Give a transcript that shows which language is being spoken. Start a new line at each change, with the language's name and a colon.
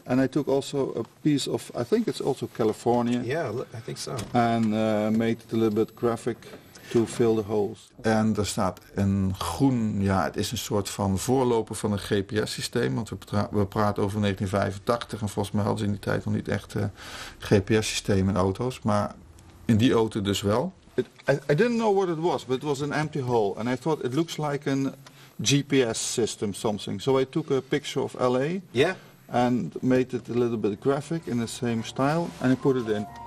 English: And I took also a piece of, I think it's also California. Yeah, I think so. And made it a little bit graphic to fill the holes.
Dutch: En daar staat een groen, ja, het is een soort van voorloper van een GPS-systeem, want we praten over 1985 en volgens mij hadden ze in die tijd nog niet echt GPS-systeem in auto's, maar in die auto dus wel.
English: I didn't know what it was, but it was an empty hole and I thought it looks like a GPS system something. So I took a picture of LA and made it a little bit graphic in the same style and I put it in.